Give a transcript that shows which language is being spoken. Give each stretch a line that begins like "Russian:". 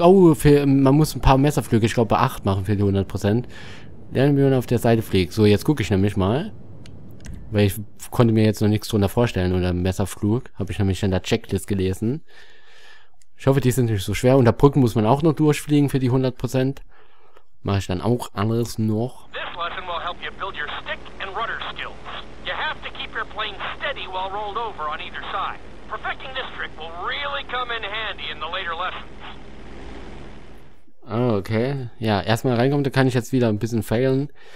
German: Oh, man muss ein paar Messerflüge, ich glaube, 8 machen für die 100%. Lernen wir, wie man auf der Seite fliegt. So, jetzt gucke ich nämlich mal. Weil ich konnte mir jetzt noch nichts drunter vorstellen oder Messerflug. Habe ich nämlich in der Checklist gelesen. Ich hoffe, die sind nicht so schwer. Unter Brücken muss man auch noch durchfliegen für die 100%. Mache ich dann auch alles noch.
English: This lesson will help you build your stick and rudder skills. You have to keep your plane steady while rolled over on either side. Perfecting this trick will really come in handy in the later lessons. Okay.
German: Ja, erstmal reinkommen, da kann ich jetzt wieder ein bisschen failen.